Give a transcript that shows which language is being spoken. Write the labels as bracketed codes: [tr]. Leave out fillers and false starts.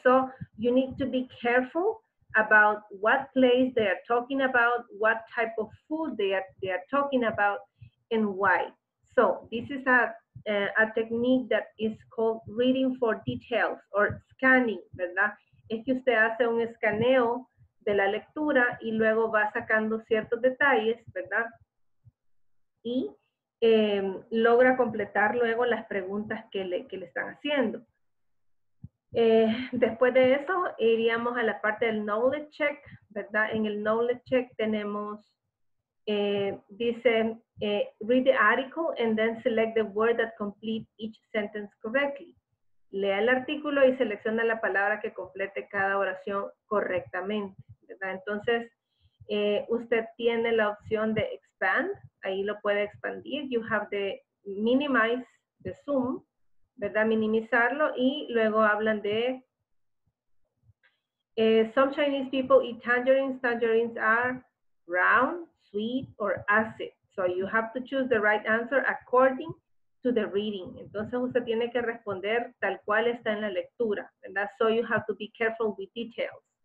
[en] So you need to be careful about what place they are talking about, what type of food they are talking about, and why. So this is a technique that is called reading for details or scanning, [es] ¿verdad? Es que usted hace un escaneo de la lectura y luego va sacando ciertos detalles, ¿verdad? Y logra completar luego las preguntas que le están haciendo. Después de eso, iríamos a la parte del knowledge check, ¿verdad? En el knowledge check tenemos, dice, [en] read the article and then select the word that complete each sentence correctly. [es] Lea el artículo y selecciona la palabra que complete cada oración correctamente, ¿verdad? Entonces, usted tiene la opción de expand, ahí lo puede expandir. [en] You have the minimize, the zoom, [es] ¿verdad? Minimizarlo. Y luego hablan de [en] some Chinese people eat tangerines. Tangerines are round, sweet, or acid. So you have to choose the right answer according to the reading. [es] Entonces usted tiene que responder tal cual está en la lectura, ¿verdad? [en] So you have to be careful with details.